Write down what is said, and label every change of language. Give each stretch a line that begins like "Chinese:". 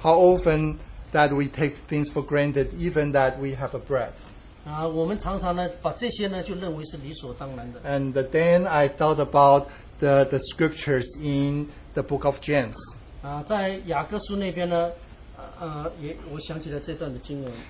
English: How often that we take things for granted, even that we have a breath.
Chinese: 我们常常呢，把这些呢，就认为是理所当然的。
English: And then I thought about the scriptures in the book of James.
Chinese: 在雅各书那边呢，也我想起了这段的经文。